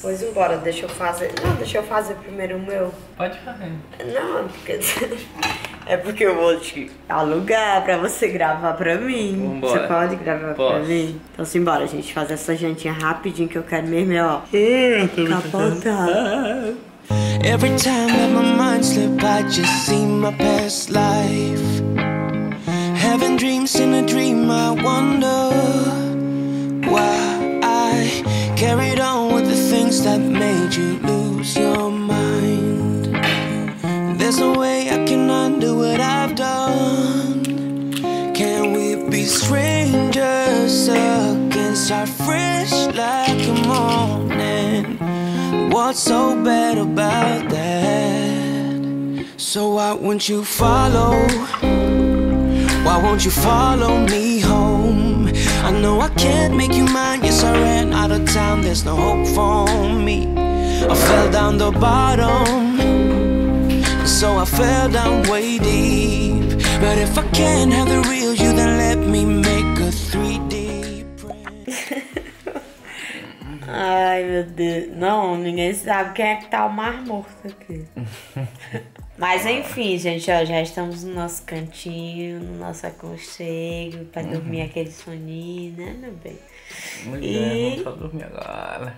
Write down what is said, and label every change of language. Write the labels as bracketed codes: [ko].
[pt] Pois embora, deixa eu fazer... Não, deixa eu fazer primeiro o meu. Pode fazer. Não, porque... É porque eu vou te alugar pra você gravar pra mim. Vambora. Você pode gravar Posso. Pra mim? Então simbora, gente. Fazer essa jantinha rapidinho que eu quero mesmo, ó. Capotar. [en] Every time that my mind slip, I just see my past life. Having dreams in a dream, I wonder why I carried on with the things that made you lose your mind. There's a way I do what I've done. Can we be strangers again? Start fresh like a morning. What's so bad about that? So why won't you follow? Why won't you follow me home? I know I can't make you mine. Yes, I ran out of time. There's no hope for me. I fell down the bottom, so I fell down way deep. But if I can't have the real you, then let me make a 3D print. [pt] Ai, meu Deus. Não, ninguém sabe quem é que tá o mais morto aqui. Mas enfim, gente, ó, já estamos no nosso cantinho, no nosso aconchego, pra dormir aquele soninho, né, meu bem? Vamos só dormir agora.